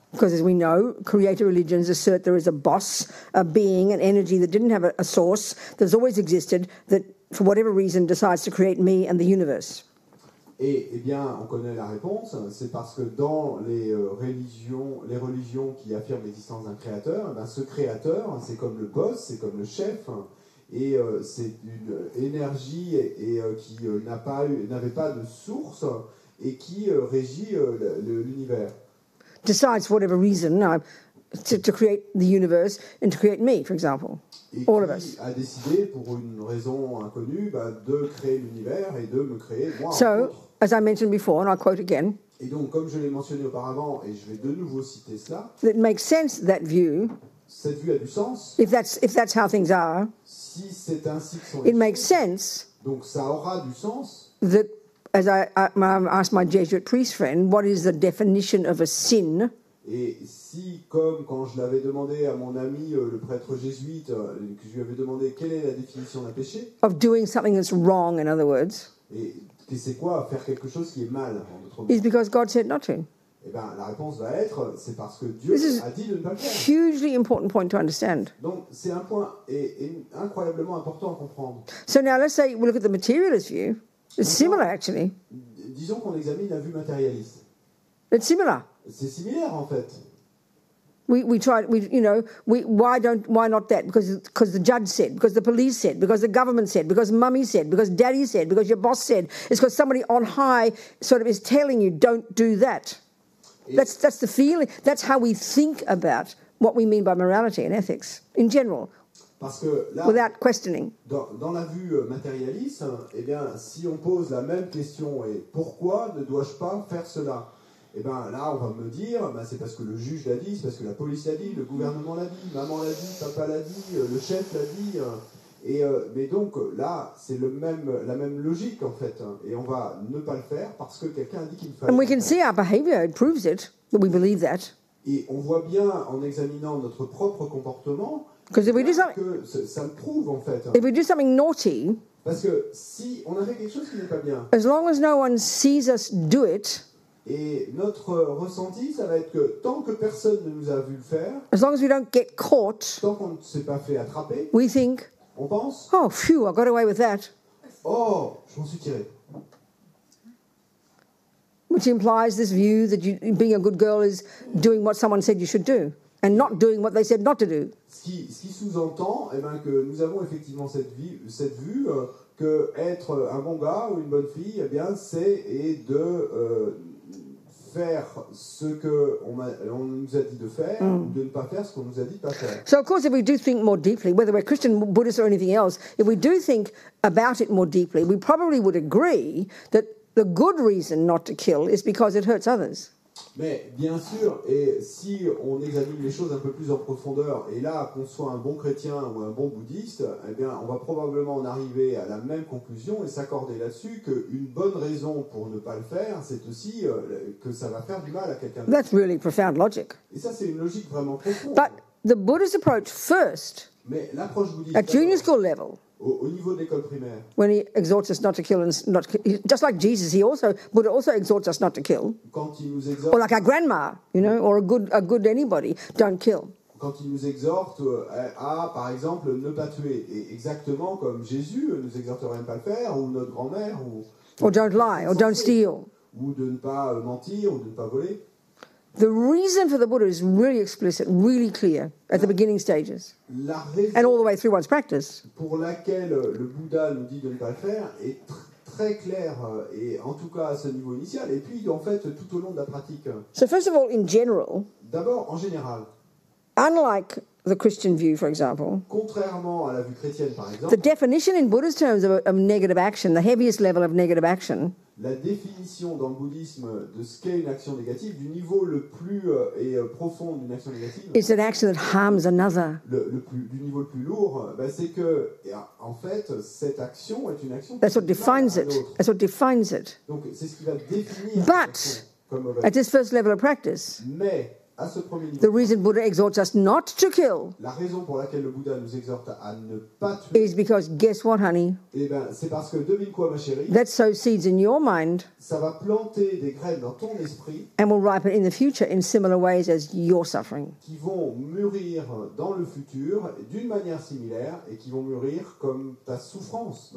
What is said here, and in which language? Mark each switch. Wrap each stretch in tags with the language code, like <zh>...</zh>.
<en>Because as we know, creator religions assert there is a boss, a being, an energy that didn't have a source, that's always existed, that for whatever reason decides to create me and the universe.</en> <fr>Eh bien, on connaît la réponse, c'est parce que dans les religions qui affirment l'existence d'un créateur, ben ce créateur, c'est comme le boss, c'est comme le chef, et c'est une énergie qui n'avait pas de source et qui régit l'univers.</fr> <en>Decides for whatever reason to create the universe and to create me, for example.</en> <fr>Et</fr> <en>All</en> <fr>qui</fr> <en>of us.</en> <fr>A décidé, pour une raison inconnue, de créer l'univers et de me créer moi.</fr> <en>So, as I mentioned before, and I'll quote again.</en> <fr>Et donc, comme je l'ai mentionné auparavant, et je vais de nouveau citer cela.</fr> <en>That makes sense, that view.</en> <fr>Cette vue a du sens.</fr> <en>If that's how things are.</en> <fr>Si c'est ainsi que sont les</fr> <en>It makes sense.</en> <fr>Donc, ça aura du sens.</fr> <en>That, as I asked my Jesuit priest friend, what is the definition of a sin?</en> <fr>Et si, comme quand je l'avais demandé à mon ami le prêtre jésuite, que je lui avais demandé quelle est la définition d'un péché?</fr> <en>Of doing something that's wrong, in other words.</en> <fr>Et c'est quoi faire quelque chose qui est mal, en d'autres mots?</fr> <en>It's because God said not to.</en> <fr>Eh bien, la réponse va être, c'est parce que Dieu a dit de ne pas faire.</fr> <en>Hugely important point to understand.</en> <fr>Donc, c'est un point et incroyablement important à comprendre.</fr> <en>So now let's say we look at the materialist view. It's similar, actually.</en> <fr>Disons qu'on examine la vue matérialiste.</fr> <en>It's similar.</en> <fr>C'est similaire en fait.</fr> <en>Why not that? Because the judge said, because the police said, because the government said, because mummy said, because daddy said, because your boss said. It's because somebody on high sort of is telling you don't do that. That's the feeling. That's how we think about what we mean by morality and ethics in general.</en> <fr>Parce que là,</fr> <en>without questioning.</en> <fr>Dans la vue matérialiste, eh bien, si on pose la même question et pourquoi ne dois-je pas faire cela? Et eh bien là, on va me dire, ben, c'est parce que le juge l'a dit, c'est parce que la police l'a dit, le gouvernement l'a dit, maman l'a dit, papa l'a dit, le chef l'a dit. Mais donc là, c'est la même logique en fait. Et on va ne pas le faire parce que quelqu'un a dit qu'il fallait.</fr> <en>And we can see our behavior, it proves it, that we believe that.</en> <fr>Et on voit bien en examinant notre propre comportement que ça le prouve en fait.</fr> <en>If we do something naughty,</en> <fr>parce que si on a fait quelque chose qui n'est pas bien,</fr> <en>as long as no one sees us do it,</en> <fr>et notre ressenti, ça va être que tant que personne ne nous a vu le faire,</fr> <en>as long as we don't get caught,</en> <fr>tant qu'on ne s'est pas fait attraper,</fr> <en>we think,</en> <fr>on pense,</fr> <en>oh, phew, I got away with that.</en> <fr>Oh, je m'en suis tiré.</fr> <en>Which implies this view that you, being a good girl is doing what someone said you should do, and not doing what they said not to do.</en> <fr>Ce qui sous-entend, eh bien, que nous avons effectivement cette vue, que être un bon gars ou une bonne fille, eh bien, c'est et de... faire ce que on nous a dit de faire ou de ne pas faire ce qu'on nous a dit de pas faire.</fr> <en>So of course, if we do think more deeply, whether we're Christian, Buddhist, or anything else, if we do think about it more deeply, we probably would agree that the good reason not to kill is because it hurts others.</en> <fr>Mais bien sûr, et si on examine les choses un peu plus en profondeur, et là, qu'on soit un bon chrétien ou un bon bouddhiste, eh bien, on va probablement en arriver à la même conclusion et s'accorder là-dessus qu'une bonne raison pour ne pas le faire, c'est aussi que ça va faire du mal à quelqu'un d'autre.</fr> <en>That's really profound logic.</en> <fr>Et ça, c'est une logique vraiment profonde.</fr> <en>But the Buddhist approach first,</en> <fr>mais l'approche bouddhiste,</fr> <en>at junior school level,</en> <fr>au niveau de l'école primaire,</fr> <en>when he exhorts us not to kill, and not to, just like Jesus, he also Buddha also exhorts us not to kill.</en> <fr>Quand il nous exhorte,</fr> <en>or like our grandma, you know, or a good anybody, don't kill.</en> <fr>Quand il nous exhorte à par exemple ne pas tuer, et exactement comme Jésus nous exhorterait ne pas le faire, ou notre grand-mère, ou</fr> <en>or don't lie, or don't steal,</en> <fr>ou de ne pas mentir, ou de ne pas voler.</fr> <en>The reason for the Buddha is really explicit, really clear at the beginning stages, and all the way through one's practice.</en> <fr>Pour laquelle le Bouddha nous dit de ne pas le faire est très clair, et en tout cas à ce niveau initial, et puis en fait tout au long de la pratique.</fr> <en>So first of all, in general,</en> <fr>d'abord en général,</fr> <en>unlike the Christian view, for example,</en> <fr>contrairement à la vue chrétienne, par exemple,</fr> <en>the definition in Buddhist terms of negative action, the heaviest level of negative action.</en> <fr>La définition dans le bouddhisme de ce qu'est une action négative, du niveau le plus profond d'une action négative,</fr> <en>is an action that harms another.</en> <fr>Du niveau le plus lourd, bah, c'est que, en fait, cette action est une action.</fr> <en>That's what defines it. That's what defines it.</en> <fr>Donc, c'est ce qui va définir.</fr> <en>But at this first level of practice,</en> <fr>mais à ce premier niveau,</fr> <en>the reason Buddha exhorts us not to kill,</en> <fr>la raison pour laquelle le Bouddha nous exhorte à ne pas tuer,</fr> <en>is because, guess what, honey?</en> <fr>Eh ben, c'est parce que, devine quoi, ma chérie?</fr> <en>That sows seeds in your mind.</en> <fr>Ça va planter des graines dans ton esprit.</fr> <en>And will ripen in the future in similar ways as your suffering.</en> <fr>Qui vont mûrir dans le futur d'une manière similaire, et qui vont mûrir comme ta souffrance.</fr>